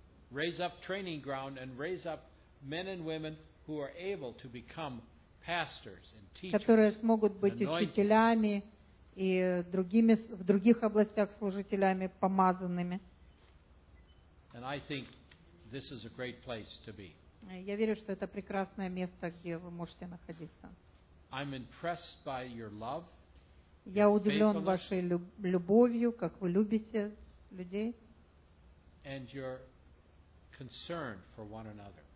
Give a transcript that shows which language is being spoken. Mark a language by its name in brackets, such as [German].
[English] raise up training ground and raise up men and women who are able to become pastors and teachers, [Russian] которые смогут быть учителями и другими в других областях служителями помазанными. [English] And I think this is a great place to be. [Russian] Я верю, что это прекрасное место, где вы можете находиться. [English] I'm impressed by your love. [Russian] Я удивлен вашей любовью, как вы любите людей. [English] And your concern for one another.